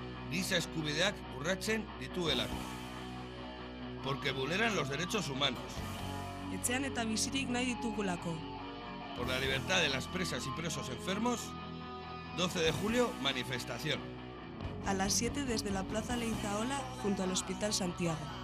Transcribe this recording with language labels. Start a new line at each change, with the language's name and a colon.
Basque: Giza eskubideak urratzen dituelako.
Spanish: Porque vulneran los derechos humanos.
Basque: Etxean eta bizirik nahi ditugulako.
Spanish: Por la libertad de las presas y presos enfermos, 12 de julio, manifestación. A las 7 desde la Plaza Leizaola, junto al Hospital Santiago.